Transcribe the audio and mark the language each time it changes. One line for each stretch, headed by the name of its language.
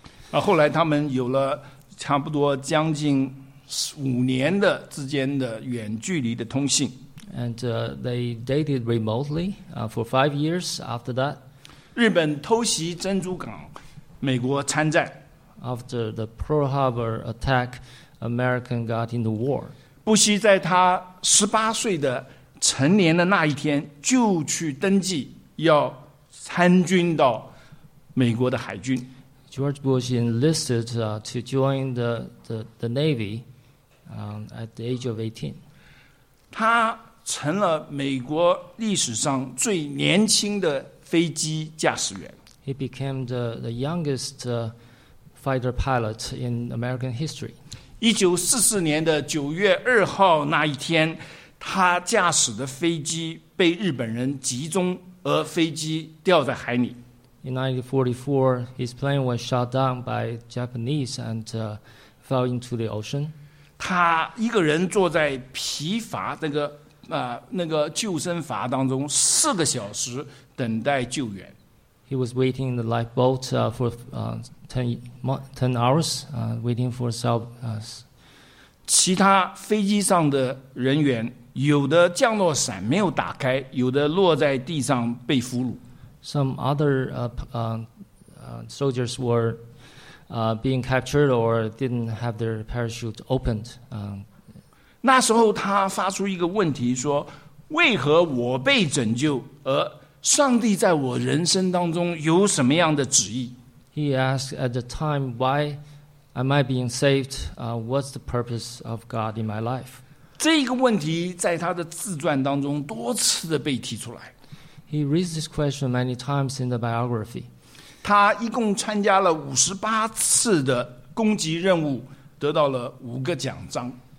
Chinese: 后来他们有了差不多将近五年的之间的远距离的通信。
English: And they dated remotely for 5 years after that.
Chinese: 日本偷袭珍珠港，美国参战。
English: After the Pearl Harbor attack, American got in the war.
Chinese: 布希在他十八岁的成年的那一天就去登记要参军到美国的海军。
English: George Bush enlisted to join the Navy at the age of 18.
Chinese: 他成了美国历史上最年轻的飞机驾驶员。
English: He became the youngest fighter pilot in American history.
Chinese: 1944年的9月2号那一天，他驾驶的飞机被日本人击中，而飞机掉在海里。
English: In 1944, his plane was shot down by Japanese and fell into the ocean.
Chinese: 他一个人坐在皮筏那个救生筏当中4个小时等待救援。
English: He was waiting in the lifeboat for 10 hours, waiting for help.
Chinese: 其他飞机上的人员有的降落伞没有打开，有的落在地上被俘虏。
English: Some other soldiers were being captured or didn't have their parachute opened.
Chinese: 那时候他发出一个问题说，为何我被拯救，而上帝在我人生当中有什么样的旨意？
English: He asked at the time, why am I being saved? What's the purpose of God in my life?
Chinese: 这个问题在他的自传当中多次的被提出来。
English: He raised this question many times in the biography.
Chinese: 他一共参加了58次的攻击任务，得到了5个奖章。